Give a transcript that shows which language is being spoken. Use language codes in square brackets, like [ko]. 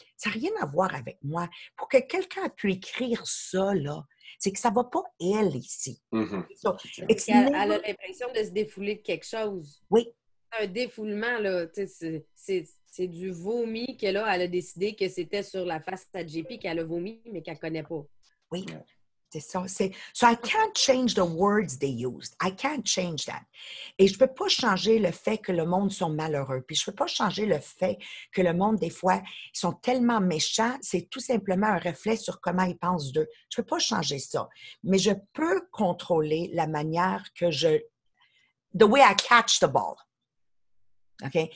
[fr] Ça n'a rien à voir avec moi. Pour que quelqu'un ait pu écrire ça, là, c'est que ça ne va pas elle ici. Mm-hmm. So, elle a l'impression de se défouler de quelque chose. Oui. Un défoulement, là, c'est du vomi qu'elle a. Elle a décidé que c'était sur la face à JP qu'elle a vomi, mais qu'elle ne connaît pas. Oui, c'est ça. [en] So, I can't change the words they used. I can't change that. [fr] Et je ne peux pas changer le fait que le monde sont malheureux. Puis je ne peux pas changer le fait que le monde, des fois, ils sont tellement méchants, c'est tout simplement un reflet sur comment ils pensent d'eux. Je ne peux pas changer ça. Mais je peux contrôler la manière que je... [en] The way I catch the ball. [fr] OK?